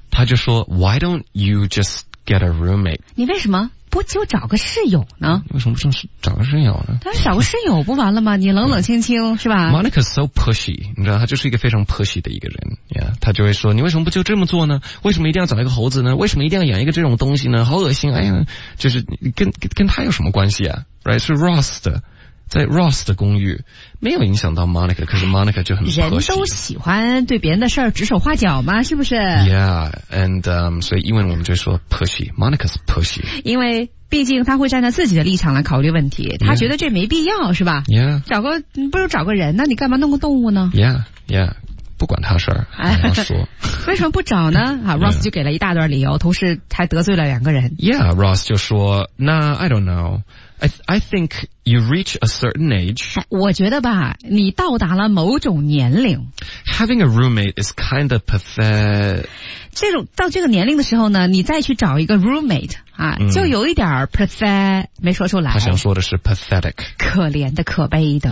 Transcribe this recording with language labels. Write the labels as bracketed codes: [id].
[en] 他就说 Why don't you just get a roommate [zh] 你为什么不就找个室友呢为什么不正是找个室友呢但是找个室友不完了吗你冷冷清清是吧 [en] Monica is so pushy [zh] 你知道他就是一个非常 pushy 的一个人、yeah. 他就会说你为什么不就这么做呢为什么一定要找一个猴子呢为什么一定要养一个这种东西呢好恶心哎呀就是跟他有什么关系啊 right 是 Ross 的在 Ross 的公寓没有影响到 Monica 可是 Monica 就很 pushy 人都喜欢对别人的事儿指手画脚嘛是不是 Yeah and、所以英文我们就说 pushy [en] Monica's pushy [zh] 因为毕竟他会站在自己的立场来考虑问题他觉得这没必要、 yeah. 是吧 [en] Yeah [zh] 找个不如找个人那你干嘛弄个动物呢 Yeah Yeah不管他事儿，说为什么不找呢？啊 ，Ross 就给了一大段理由，同时还得罪了两个人。 [en] Yeah，Ross [zh] 就说，那 [en] I don't know， I think you reach a certain age。 [zh] 我觉得吧，你到达了某种年龄。 [en] Having a roommate is kind of pathetic。 [zh] 这种到这个年龄的时候呢，你再去找一个 roommate 啊，就有一点 pathetic， 没说出来。他想说的是 pathetic，可怜的、可悲的。